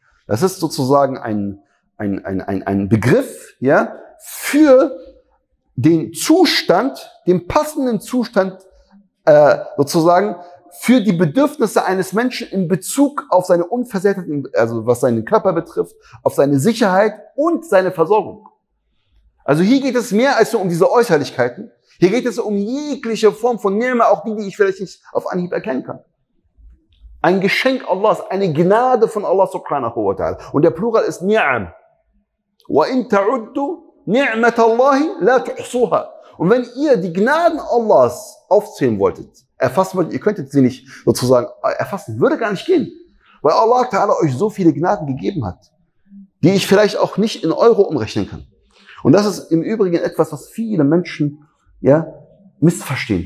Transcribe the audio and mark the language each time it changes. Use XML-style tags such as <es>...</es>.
<de>Das ist sozusagen ein Begriff, ja, für den Zustand, den passenden Zustand sozusagen für die Bedürfnisse eines Menschen in Bezug auf seine Unversehrtheit, also was seinen Körper betrifft, auf seine Sicherheit und seine Versorgung. Also hier geht es mehr als nur um diese Äußerlichkeiten. Hier geht es um jegliche Form von Ni'ma, auch die ich vielleicht nicht auf Anhieb erkennen kann. Ein Geschenk Allahs, eine Gnade von Allah subhanahu wa ta'ala. Und der Plural ist Ni'am.</de> <ar>وَإِن تَعُدُّ نِعْمَةَ اللَّهِ لَا تُحْصُوهَا.</ar> <de>Und wenn ihr die Gnaden Allahs aufzählen wolltet, erfassen wolltet, ihr könntet sie nicht sozusagen erfassen, würde gar nicht gehen. Weil Allah Ta'ala euch so viele Gnaden gegeben hat, die ich vielleicht auch nicht in Euro umrechnen kann. Und das ist im Übrigen etwas, was viele Menschen ja missverstehen.</de>